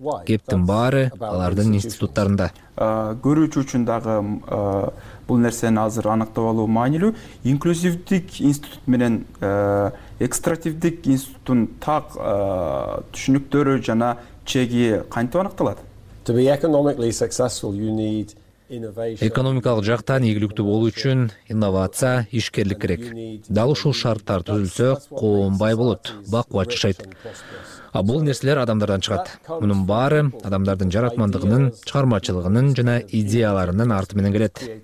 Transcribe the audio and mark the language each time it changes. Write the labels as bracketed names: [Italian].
[Kyrgyz] Кептин баары алардын институттарында. Көрүүчү үчүн дагы бул нерсени азыр аныктап алуу маанилүү. Инклюзивдик институт менен экстративдик институттун так түшүнүктөрү жана чеги кантип аныкталат? [English] To be economically successful, you need innovation. [Kyrgyz] Экономикалык жактан ийгиликтүү болуу үчүн инновация, ишкерлик керек. Дал ушул шарттар түзүлсө, коом бай болот, бакыт жашайт. А бул нерселер адамдардан чыгат. Мунун баары адамдардын жаратмандыгынын, чыгармачылыгынын жана идеяларынын арты менен келет.